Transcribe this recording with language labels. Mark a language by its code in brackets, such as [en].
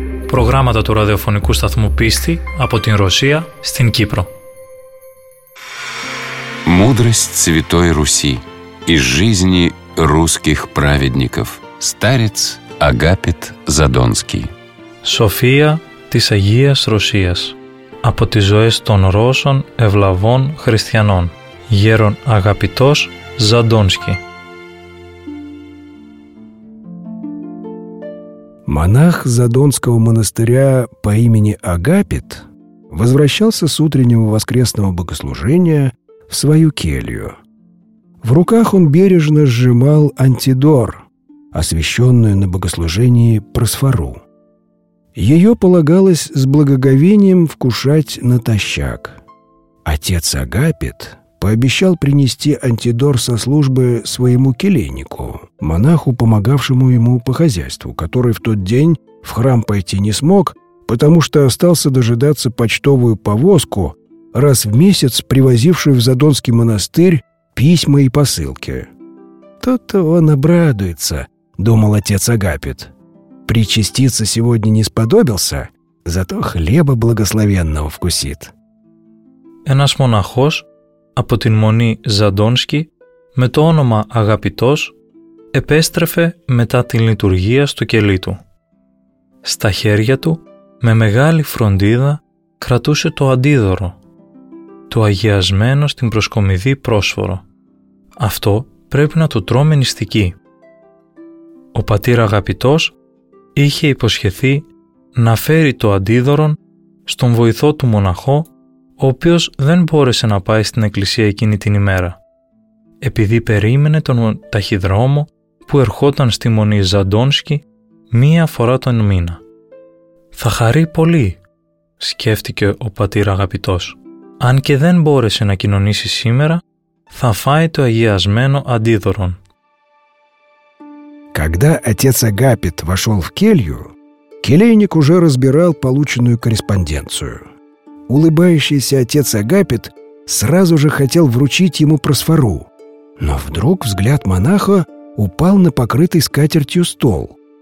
[el] Програмата του ραδιοφωνικού σταθμού Πίστη από την Ρωσία στην Κύπρο. [ru] Мудрость Святой Руси из жизни русских праведников. Старец Агапит Задонский. [el] София της Αγίας Ρωσίας. Από τις ζωές των Ρώσων ευλαβών χριστιανών. Γέρον Αγαπητός Задонский. [ru] Монах Задонского монастыря по имени Агапит возвращался с утреннего воскресного богослужения в свою келью. В руках он бережно сжимал антидор, освященную на богослужении просфору. Ее полагалось с благоговением вкушать натощак. Отец Агапит пообещал принести антидор со службы своему келейнику, монаху, помогавшему ему по хозяйству, который в тот день в храм пойти не смог, потому что остался дожидаться почтовую повозку, раз в месяц привозившую в Задонский монастырь письма и посылки. «То-то он обрадуется», — думал отец Агапит. «Причаститься сегодня не сподобился, зато хлеба благословенного вкусит». [el] «Энас монахос», από την Μονή Ζαντόνσκι, με το όνομα Αγαπητός, επέστρεφε μετά την λειτουργία στο κελί του. Στα χέρια του, με μεγάλη φροντίδα, κρατούσε το αντίδωρο, το αγιασμένο στην προσκομιδή πρόσφορο. Αυτό πρέπει να το τρώμε νηστική. Ο πατήρ Αγαπητός είχε υποσχεθεί να φέρει το αντίδωρον στον βοηθό του μοναχό, ο οποίος δεν μπόρεσε να πάει στην εκκλησία εκείνη την ημέρα, επειδή περίμενε τον ταχυδρόμο που ερχόταν στη Μονή Ζαντόνσκι μία φορά τον μήνα. «Θα χαρεί πολύ», σκέφτηκε ο πατήρ Αγαπητός. «Αν και δεν μπόρεσε να κοινωνήσει σήμερα, θα φάει το αγιασμένο αντίδωρον». [ru] Когда отец Агапит вошел в келью, келейник уже разбирал полученную корреспонденцию. Улыбающийся отец Агапит сразу же хотел вручить ему просфору, но вдруг взгляд монаха упал на покрытый скатертью стол.